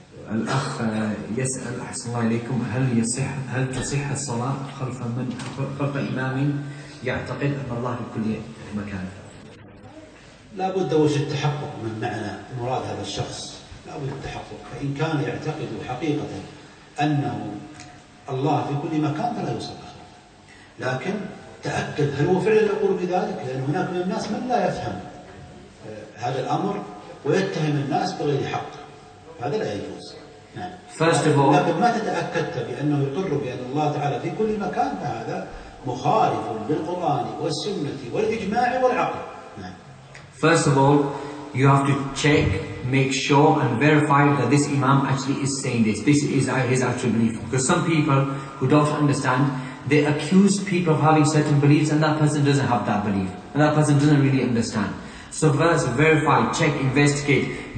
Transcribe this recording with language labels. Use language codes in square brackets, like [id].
[ar] الأخ يسأل أحسن الله إليكم هل يصح هل تصح الصلاة خلف من خلف إمام يعتقد أن الله في كل مكان؟ لا بد وجه التحقق من معنى مراد هذا الشخص لا بد التحقق فإن كان يعتقد حقيقة أنه الله في كل مكان فلا يصلى لكن تأكد هل هو فعلا يقول بذلك لأن هناك من الناس من لا يفهم هذا الأمر ويتهم الناس بغير حق هذا لا يجوز [en] First of all, [ar] لكن ما تتأكدت بأنه يقر بأن الله تعالى في كل مكان فهذا مخالف للقرآن والسنة والإجماع والعقل [en] First of all, you have to check, make sure and verify that this Imam actually is saying this. This is his actual belief. Because some people who don't understand, they accuse people of having certain beliefs and that person doesn't have that belief. And that person doesn't really understand. So first, verify, check, investigate.